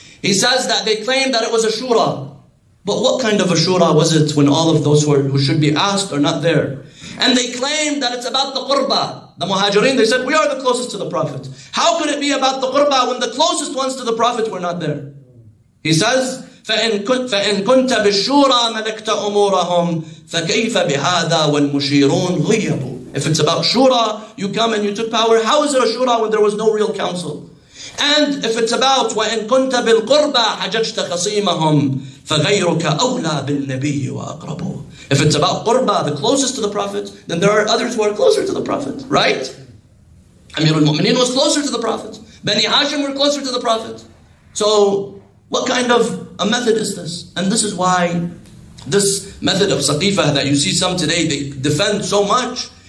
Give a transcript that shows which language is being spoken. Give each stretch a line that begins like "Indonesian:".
English: He says that they claim that it was a shura. But what kind of a shura was it when all of those who should be asked are not there? And they claim that it's about the qurba. The Muhajireen, they said, we are the closest to the Prophet. How could it be about the qurba when the closest ones to the Prophet were not there? He says,
Arabic: فَإِن كُنْتَ بِالشُّورَى مَلَكْتَ أُمُورَهُمْ فَكَيْفَ بِهَذَا وَالْمُشِيرُونَ غِيَبُ.
English: If it's about shura, you come and you took power, how is it a shura when there was no real council? And if it's about
Arabic: وَإِن كُنْتَ بِالْقُرْبَى حَجَجْتَ خَصِيمَهُمْ فَغَيْرُكَ أَوْلَى بِالنَّبِيِّ وَأَقْرَبُ.
English: If it's about qurba, the closest to the Prophet, then there are others who are closer to the Prophet, right? Amir al-Mu'mineen was closer to the Prophet. Bani Hashim were closer to the Prophet. So what kind of a method is this? And this is why this method of saqifah that you see some today, they defend so much.